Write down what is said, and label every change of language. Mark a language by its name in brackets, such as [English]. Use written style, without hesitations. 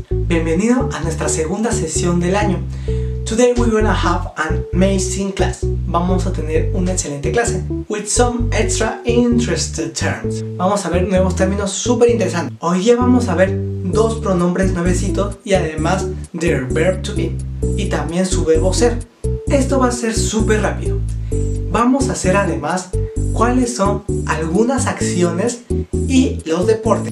[Spanish] Bienvenido a nuestra segunda sesión del año. [English] Today we're gonna have an amazing class. Vamos a tener una excelente clase. With some extra interesting terms. [Spanish] Vamos a ver nuevos términos súper interesantes. Hoy día vamos a ver dos pronombres nuevecitos y además their verb to be. Y también su verbo ser. Esto va a ser súper rápido. Vamos a hacer además cuáles son algunas acciones y los deportes.